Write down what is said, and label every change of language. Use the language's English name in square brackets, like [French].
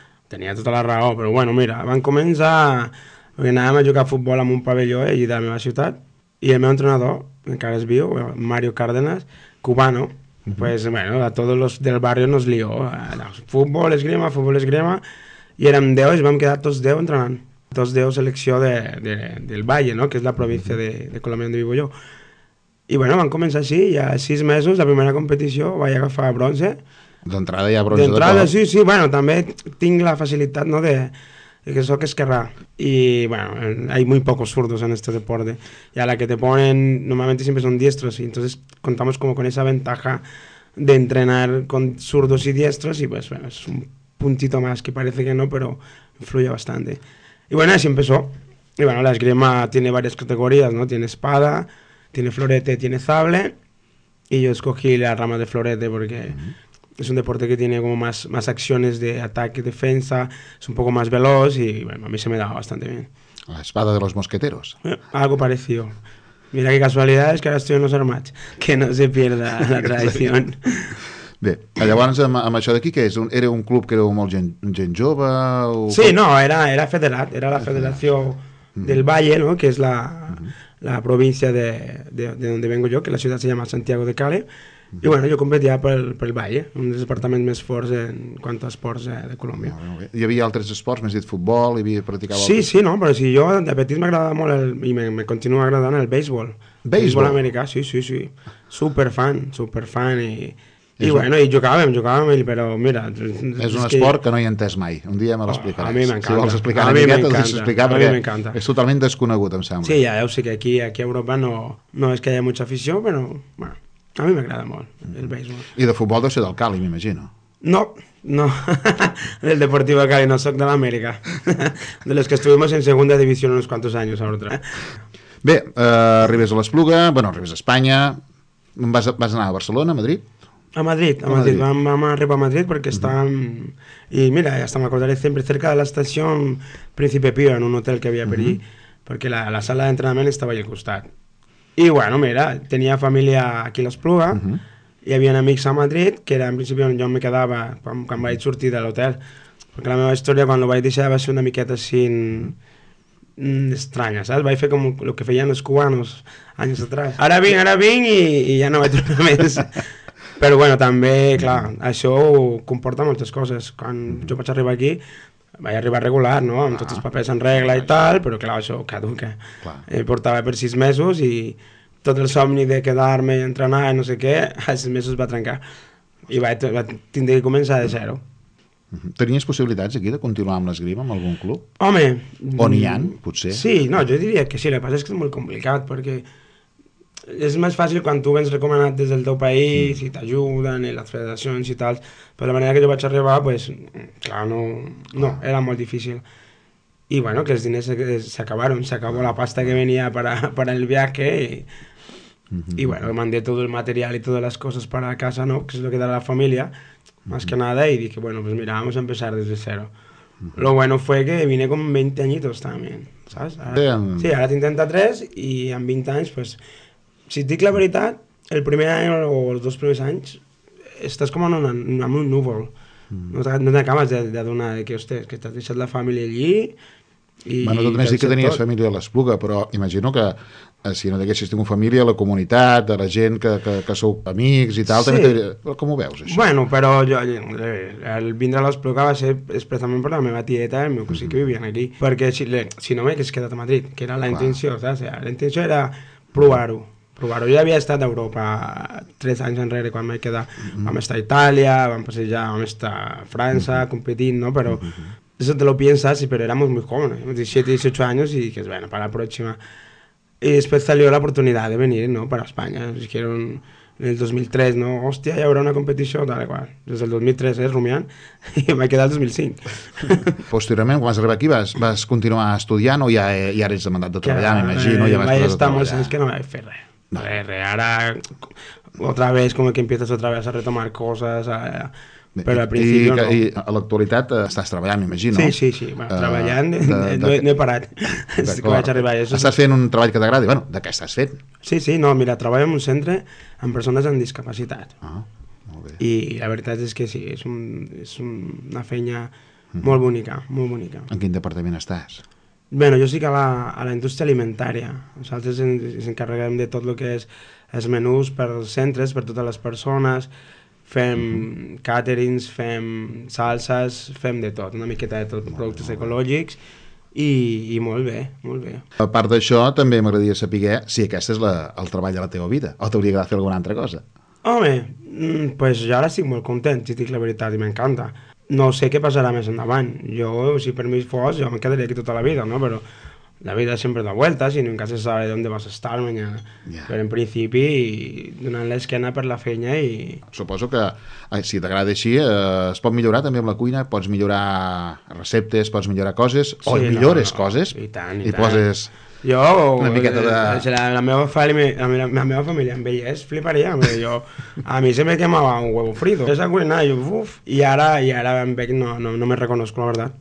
[Catalan] Tenia tota la raó, però, bueno, mira, van començar... Perquè anàvem a jugar a futbol en un pavelló allà de la meva ciutat i el meu entrenador, encara és viu, Mario Cárdenas, cubano, [Spanish] pues, bueno, a todos los del barrio nos lió. [Catalan] Futbol, esgrima, i érem 10 i vam quedar tots 10 entrenant. Tots 10 selecció del Valle, no? Que és la província de Colòmbia on vivo jo. I, bueno, vam començar així, i a 6 mesos, la primera competició, vaig agafar bronze. D'entrada ja bronze. D'entrada, sí, sí, bueno, també tinc la facilitat, no?, que soc esquerrà, [Spanish] i bueno, hay muy pocos zurdos en este deporte, y a la que te ponen, normalmente siempre son diestros, y entonces contamos como con esa ventaja de entrenar con zurdos y diestros, y pues bueno, es un puntito más que parece que no, pero influye bastante. Y bueno, así empezó, y bueno, la esgrima tiene varias categorías, ¿no? Tiene espada, tiene florete, tiene sable, y yo escogí la rama de florete porque... Mm-hmm. Es un deporte que tiene como más acciones de ataque y defensa, es un poco más veloz y, bueno, a mí se me daba bastante bien. ¿La espada de los mosqueteros? Algo parecido. Mira qué casualidad es que ahora estoy en los armats. Que no se pierda la tradición. [Catalan] Bé, llavors, amb això d'aquí, que era un club que era molt gent jove? O... Sí, no, era federat, era la Federació del Valle, ¿no? Que és la província de [Spanish] donde vengo yo, [Catalan] que la ciutat se llama Santiago de Cali. I, bueno, jo competia pel Valle, un dels departaments més forts en quant a esports de Colòmbia. Hi havia altres esports, m'has dit futbol, hi havia practicat... Sí, sí, no, però si jo de petit m'agradava molt i me continua agradant el béisbol. Béisbol americà, sí, sí, sí. Superfan. I bueno, i jugàvem, però mira... És un esport que no hi he entès mai, un dia me l'explicaràs. A mi m'encanta. Si vols explicar una miqueta, t'ho deixo explicar, perquè és totalment desconegut, em sembla. Sí, ja ho sé, que aquí a Europa no és que hi ha molta afició, però... A mi m'agrada molt el béisbol. I de futbol deu ser del Cali, m'imagino. No, no. Del Deportivo Cali, no, soc de l'Amèrica. [Spanish] De los que estuvimos en segunda división unos cuantos años a otra. [Catalan] Bé, arribes a l'Espluga, bueno, arribes a Espanya, vas anar a Barcelona, a Madrid? A Madrid. [Spanish] Vamos arriba a Madrid porque están... Y mira, hasta me acordaré siempre, cerca de la estación Príncipe Pío, en un hotel que había por allí, porque la sala de entrenamiento estaba allí al costado. Y bueno, mira, tenía familia aquí a l'Espluga, y había amigos a Madrid, que era en principio donde yo me quedaba cuando [Catalan] vaig sortir de l'hotel. Porque la meva historia, cuando lo vaig deixar, va ser una miqueta así... estranya, saps? Vaig fer com el que feien els cubanos anys atrás. Ara vinc i ja no vaig tornar més. Però bueno, també, clar, això comporta moltes coses. Quan jo vaig arribar aquí, vaig arribar regular, no? Amb tots els papers en regla i tal, però clar, això caduca. Portava per 6 mesos i tot el somni de quedar-me i entrenar i no sé què, els 6 mesos va trencar. I vaig tindre que començar de zero. Tenies possibilitats aquí de continuar amb l'esgrima en algun club? Home, o n'hi ha, potser? Sí, no, jo diria que sí, el que passa és que és molt complicat perquè és més fàcil quan tu vens recomanat des del teu país i t'ajuden i les federacions i tal, però la manera que jo vaig arribar, pues, clar, no, era molt difícil. I bueno, que els diners s'acabaron, s'acabó la pasta que venia per el viatge i... [Spanish] Y bueno, mandé todo el material y todas las cosas para casa, ¿no? Que es lo que da la familia, más que nada, y dije, bueno, pues mira, vamos a empezar desde cero. Lo bueno fue que vine con 20 añitos también, ¿sabes? Ahora tengo 33 y en 20 años, pues, si te digo la verdad, el primer año o los dos primeros años, estás como en un núvol. No te acabas de adonar de que, hostia, que te has dejado la familia allí... [Catalan] Bueno, tot més dir que tenies família a l'Espluga, però imagino que si no t'haguessis tingut família, la comunitat, de la gent que sou amics i tal, també t'hauria... Com ho veus, això? Bueno, però jo, el vindre a l'Espluga va ser expressament per la meva tieta, el meu cosí que vivien aquí, perquè si no m'hagués quedat a Madrid, que era la intenció, saps? La intenció era provar-ho. Jo havia estat a Europa 3 anys enrere quan m'he quedat. Vam estar a Itàlia, vam passejar, vam estar a França, competint, no? Però... [Spanish] Eso te lo piensas, pero éramos muy jóvenes, 17, 18 años, y dices, bueno, para la próxima. Y después salió la oportunidad de venir, ¿no?, para España. Dijeron en el 2003, ¿no?, hostia, ya habrá una competición, tal cual. Desde el 2003, rumiant, y me he quedado el 2005. [Catalan] Posteriormente, cuando vas arribar aquí, vas continuar estudiant, o ya eres demandat de treballar, me imagino, ya vas posar de treballar. Vaig estar molts anys que no vaig fer res. Res, ara, [Spanish] otra vez, como que empiezas otra vez a retomar cosas, [Catalan] però al principi no. I a l'actualitat estàs treballant, m'imagino. Sí. Bueno, treballant, no he parat. Que vaig arribar a això. Estàs fent un treball que t'agradi. Bueno, de què estàs fent? Sí, no, mira, treballo en un centre amb persones amb discapacitat. Ah, molt bé. I la veritat és que sí, és una feina molt bonica, molt bonica. En quin departament estàs? Bueno, jo estic a la indústria alimentària. Nosaltres ens encarreguem de tot el que és els menús per als centres, per totes les persones... Fem càterings, fem salses, fem de tot, una miqueta de tot, productes ecològics i molt bé, molt bé. A part d'això, també m'agradaria saber si aquest és el treball de la teva vida o t'hauria agradat fer alguna altra cosa. Home, pues jo ara estic molt content, si dic la veritat, i m'encanta. No sé què passarà més endavant. Jo, si per mi fos, jo me quedaria aquí tota la vida, no? Però la vida sempre [Spanish] da vueltas i nunca se sabe dónde vas a estar mañana. [Catalan] Yeah. Però en principi, donant l'esquena per la feina i... Suposo que, si t'agrada així, es pot millorar també amb la cuina, pots millorar receptes, pots millorar coses, sí, o millores coses. I tant. Poses... Jo, una miqueta de... la meva família amb ella és fliparia, jo, a mi [Spanish] se me quemava un huevo frito, [Catalan] és a cuinar, i ara amb ell [Spanish] no me reconozco, la verdad.